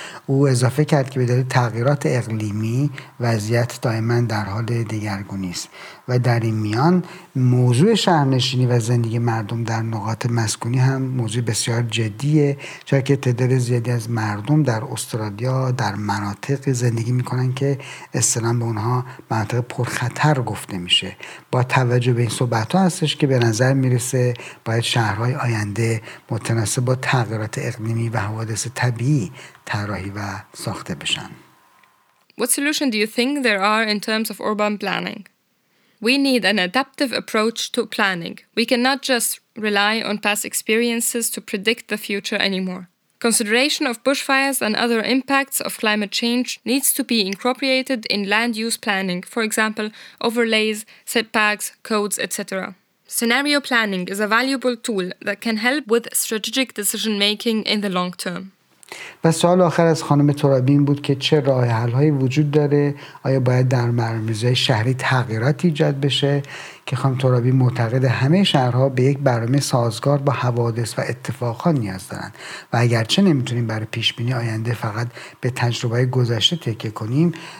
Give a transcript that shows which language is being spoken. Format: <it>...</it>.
<fa>او اضافه کرد که به دلیل تغییرات اقلیمی وضعیت دائما در حال دگرگونی است و در این میان موضوع شهرنشینی و زندگی مردم در نقاط مسکونی هم موضوع بسیار جدیه، چرا که تعداد زیادی از مردم در استرالیا در مناطق زندگی میکنن که اصطلاحاً به اونها مناطق پرخطر گفته میشه. با توجه به این صحبت‌ها هستش که به نظر میرسه باید شهرهای آینده متناسب با تغییرات اقلیمی و حوادث طبیعی طراحی و ساخته بشن.</fa> <en>What solution do you think there are in terms of urban planning? We need an adaptive approach to planning. We cannot just rely on past experiences to predict the future anymore. Consideration of bushfires and other impacts of climate change needs to be incorporated in land use planning, for example, overlays, setbacks, codes, etc. Scenario planning is a valuable tool that can help with strategic decision making in the long term.</en> <fa>پس سوال آخر از خانم ترابین بود که چه راه حل هایی وجود داره، آیا باید در برنامه‌ریزی شهری تغییراتی ایجاد بشه، که خانم ترابین معتقد همه شهرها به یک برنامه سازگار با حوادث و اتفاقات نیاز دارند و اگرچه نمیتونیم برای پیش بینی آینده فقط به تجربه های گذشته تکیه کنیم،</fa>